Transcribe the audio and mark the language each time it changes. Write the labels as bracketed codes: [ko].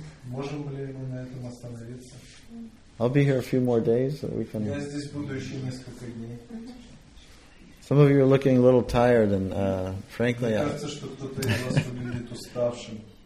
[ru] Можем ли мы на этом остановиться? [en] I'll be here a few more days so we can. [ru] Я здесь буду еще несколько дней. [en] Some of you are looking a little tired, and frankly, [ru] мне кажется, что кто-то из вас выглядит уставшим.